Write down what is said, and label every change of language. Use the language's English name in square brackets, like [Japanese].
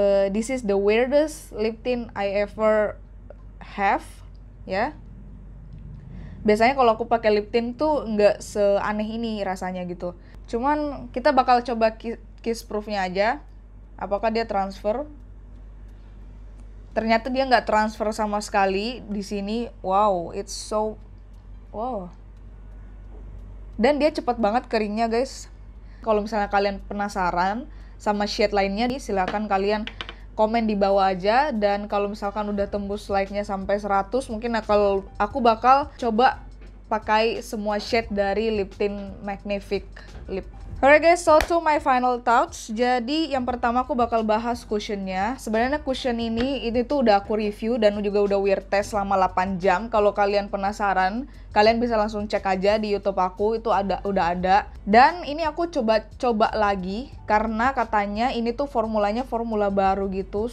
[English] This is the weirdest lip tint I ever have ya, yeah. [Indonesian] Biasanya kalau aku pakai lip tint tuh nggak seaneh ini rasanya gitu. Cuman kita bakal coba kiss proofnya aja. Apakah dia transfer? Ternyata dia nggak transfer sama sekali di sini. [English] Wow, it's so wow. [Indonesian] Dan dia cepet banget keringnya, guys. Kalau misalnya kalian penasaran sama shade lainnya nih, silakan kalian komen di bawah aja. Dan kalau misalkan udah tembus like-nya sampai 100, mungkin aku bakal coba pakai semua shade dari lip tint Magnific Lip. [English] Alright guys, so to my final thoughts. [Indonesian] Jadi yang pertama aku bakal bahas cushionnya. Sebenarnya cushion ini tuh udah aku review dan juga udah wear test selama 8 jam. Kalau kalian penasaran, kalian bisa langsung cek aja di YouTube aku, itu ada, udah ada. Dan ini aku coba-coba lagi karena katanya ini tuh formulanya formula baru gitu.